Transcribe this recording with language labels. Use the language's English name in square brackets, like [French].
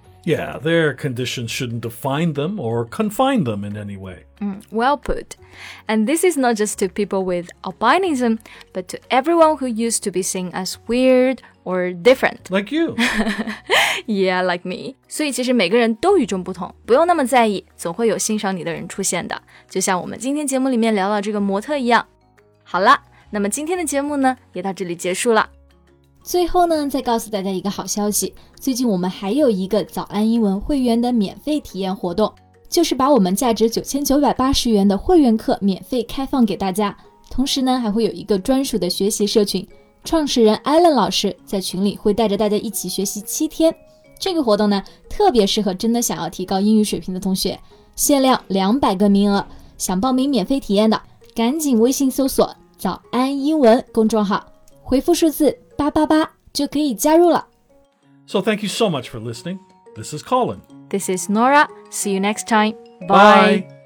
[English] Yeah, their conditions shouldn't define them or confine them in any way. Well put. And this is not just to people with albinism, but to everyone who used to be seen as weird or different. Like you. Yeah, like me. [Chinese] 所以其实每个人都与众不同，不用那么在意，总会有欣赏你的人出现的。就像我们今天节目里面聊到这个模特一样。好了，那么今天的节目呢，也到这里结束了。最后呢，再告诉大家一个好消息，最近我们还有一个早安英文会员的免费体验活动，就是把我们价值9980元的会员课免费开放给大家，同时呢，还会有一个专属的学习社群，创始人 Alan 老师在群里会带着大家一起学习7天。这个活动呢，特别适合真的想要提高英语水平的同学，限量200个名额，想报名免费体验的，赶紧微信搜索“早安英文”公众号，回复数字888就可以加入了。 [English] So thank you so much for listening. This is Colin. This is Nora. See you next time. Bye. Bye.